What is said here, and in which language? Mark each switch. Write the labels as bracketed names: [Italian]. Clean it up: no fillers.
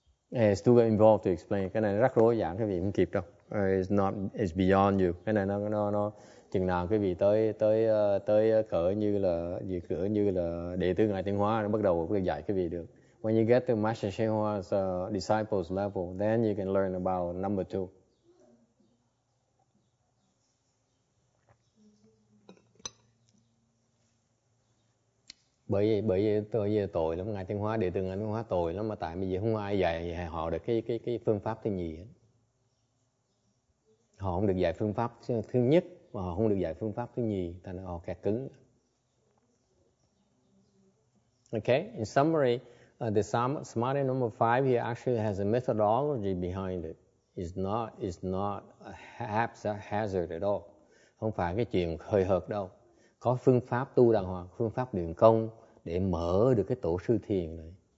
[English] It's too involved to explain. [Vietnamese] Cái này rất rối giảng, quý vị không kịp đâu. [English] It's beyond you. [Vietnamese] Cái này nó chừng nào quý vị tới cỡ như là đệ tử Ngài Tiên Hóa, nó bắt đầu có dạy quý vị được. [English] When you get to Master Shen Hua's disciples level, then you can learn about number two. [Vietnamese] Bởi vì tôi giờ tội lắm, Ngài Tiên Hóa, đệ tử Ngài Tiên Hóa tội lắm, mà tại bây giờ không ai dạy họ được cái phương pháp thứ nhì. Họ không được dạy phương pháp thứ nhất, mà họ không được dạy phương pháp thứ nhì, tại nó họ kẹt cứng. [English] Okay, in summary, The Samadhi number 5, he actually has a methodology behind it. It's not a hazard at all. [Vietnamese] Không phải cái chuyện hơi hợt đâu. Có phương pháp tu đàng hoàng, phương pháp luyện công để mở được cái tổ sư thiền này.